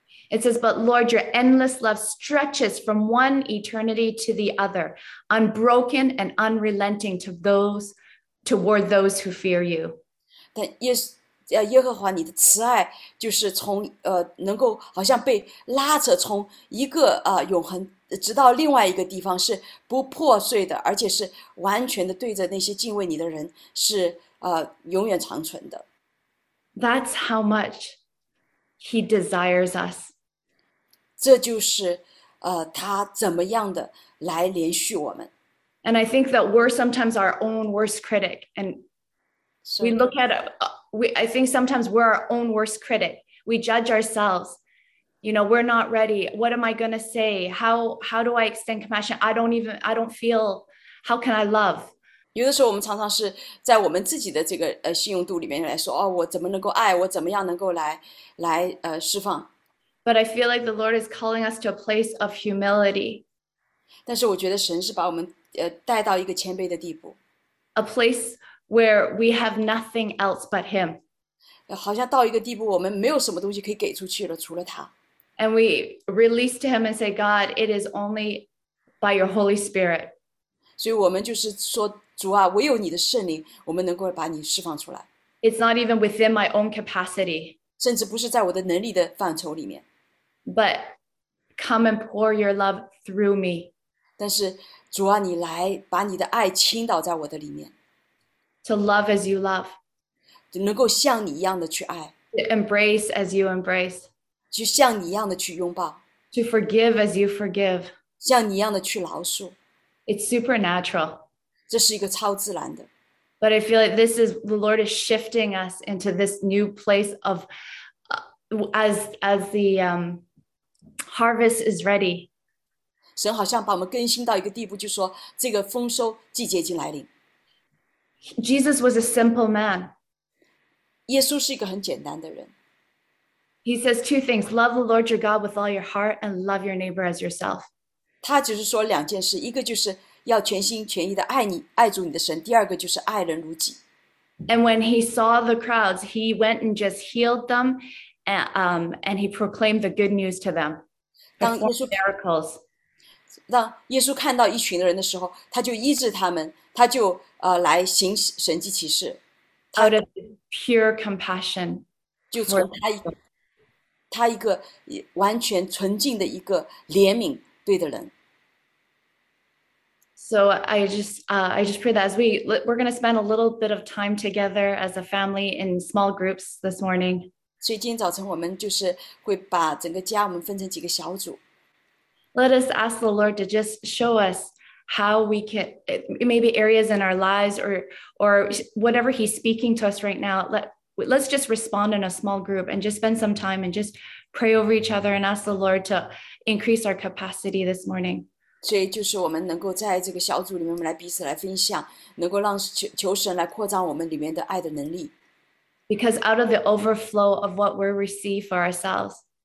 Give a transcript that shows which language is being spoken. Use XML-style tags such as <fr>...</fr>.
<en>It says, but Lord, your endless love stretches from one eternity to the other, unbroken and unrelenting toward those who fear you.</en> <zh>耶和华你的慈爱就是从能够好像被拉扯从一个永恒直到另外一个地方是不破碎的，而且是完全的对着那些敬畏你的人是永远长存的。</zh> <en>That's how much he desires us.</en> <zh>这就是他怎么样的来连续我们。</zh> <en>And I think that we're sometimes our own worst critic. And we look at, I think sometimes we're our own worst critic. We judge ourselves. You know, we're not ready. What am I going to say? How do I extend compassion? I don't feel, how can I love?</en> <zh>有的时候我们常常是在我们自己的这个信用度里面来说，哦，我怎么能够爱，我怎么样能够来释放。</zh> <en>But I feel like the Lord is calling us to a place of humility.</en> <zh>但是我觉得神是把我们带到一个谦卑的地步。</zh> <en>A place where we have nothing else but him.</en> <zh>好像到一个地步我们没有什么东西可以给出去了，除了他。</zh> <en>And we release to him and say, God, it is only by your Holy Spirit.</en> <zh>所以我们就是说，主啊，唯有你的圣灵，我们能够把你释放出来。</zh> <en>It's not even within my own capacity.</en> <zh>甚至不是在我的能力的范畴里面。</zh> <en>But come and pour your love through me.</en> <zh>但是主啊，你来把你的爱倾倒在我的里面。</zh> <en>To love as you love.</en> <zh>能够像你一样的去爱。</zh> <en>To embrace as you embrace.</en> <zh>就像你一样的去拥抱。</zh> <en>To forgive as you forgive.</en> <zh>像你一样的去饶恕。</zh> <en>It's supernatural.</en> <zh>这是一个超自然的。</zh> <en>But I feel like this is, the Lord is shifting us into this new place of, as the harvest is ready.</en> <zh>神好像把我们更新到一个地步，就说这个丰收季节已经来临。</zh> <en>Jesus was a simple man.</en> <zh>耶稣是一个很简单的人。</zh> <en>He says two things, love the Lord your God with all your heart and love your neighbor as yourself.</en> <zh>他只是说两件事，一个就是要全心全意的爱你，爱主你的神，第二个就是爱人如己。</zh> <en>And when he saw the crowds, he went and just healed them and he proclaimed the good news to them.</en> <zh>当耶稣</zh> <en>miracles.</en> <zh>当耶稣看到一群人的时候，他就医治他们，他就来行神迹奇事。</zh> <en>Out of pure compassion.</en> <zh>就从他一个完全纯净的一个怜悯对的人。</zh> <en>So I just pray that as we're going to spend a little bit of time together as a family in small groups this morning.</en> <zh>所以今天早晨我们就是会把整个家我们分成几个小组。</zh> <en>Let us ask the Lord to just show us how we can, maybe areas in our lives or whatever he's speaking to us right now. Let's just respond in a small group and just spend some time and just pray over each other and ask the Lord to increase our capacity this morning.</en> <zh>所以就是我们能够在这个小组里面我们来彼此来分享，能够让求神来扩张我们里面的爱的能力。</zh> <en>Because out of the overflow of what we receive for ourselves.</en>